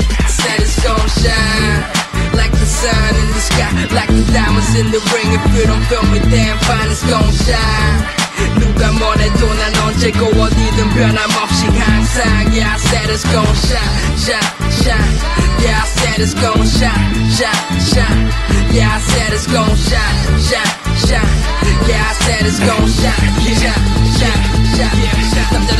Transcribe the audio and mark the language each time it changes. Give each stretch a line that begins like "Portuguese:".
English: Said it's gon' shine like the sun in the sky, like the diamonds in the ring. If you don't feel me, damn fine, it's gon' shine.
Korean: 누가 뭐래도 난 언제고 어디든 변함없이 항상.
English: Yeah, I said it's gon' shine, shine, shine. Yeah, I said it's gon' shine, shine, shine. Yeah, I said it's gon' shine, shine, shine. Yeah, I said it's gon' shine, shine, shine.